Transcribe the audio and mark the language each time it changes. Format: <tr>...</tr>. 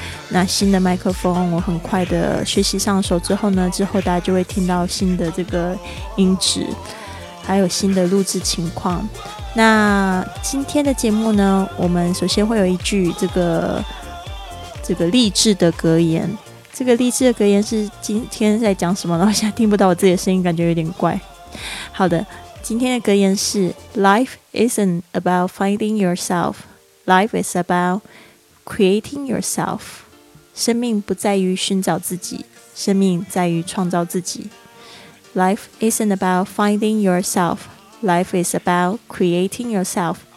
<zh>那新的麦克风我很快的学习上手之后呢，之后大家就会听到新的这个音质，还有新的录制情况。那今天的节目呢，我们首先会有一句这个励志的格言。这个励志的格言是今天在讲什么呢？我现在听不到我自己的声音，感觉有点怪。好的，今天的格言是</zh> <en>Life isn't about finding yourself, Life is about creating yourself.</en> <zh>生命不在于寻找自己，生命在于创造自己。</zh> <en>Life isn't about finding yourselfLife is about creating yourself.</en>